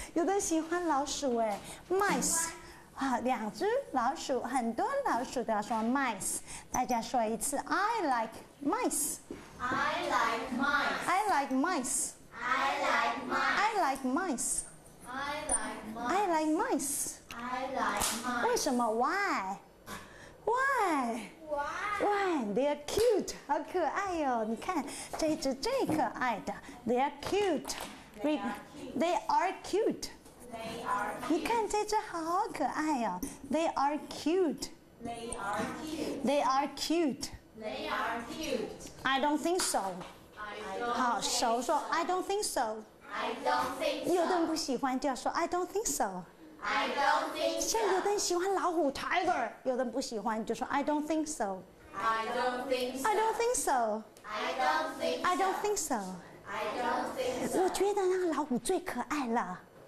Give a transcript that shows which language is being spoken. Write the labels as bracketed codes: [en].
[zh] 有的喜欢老鼠哎 ，mice。啊，两只老鼠，很多老鼠都要说 mice。大家说一次 ， [en] I like mice. I like mice. I like mice. I like mice. I like mice. I like mice. I like mice. I like mice. [zh] 为什么 [en] ？Why? Why? Why? Why? They're cute. [zh] 好可爱哦！你看，这一只最可爱的。 [en] They are cute. They are cute. They are cute. [zh] 你看这只好可爱哦。 [en] They are cute. They are cute. They are cute. They are cute. I don't think so. I don't. [zh] 好，熟说 [en] I don't think so. I don't think so. [zh] 有的人不喜欢就要说 [en] I don't think so. I don't think so. [zh] 像有的人喜欢老虎 tiger， 有的人不喜欢就说 [en] I don't think so. I don't think so. I don't think so. I don't think so. I don't think so. I don't think so. [zh] 我觉得那个老虎最可爱了。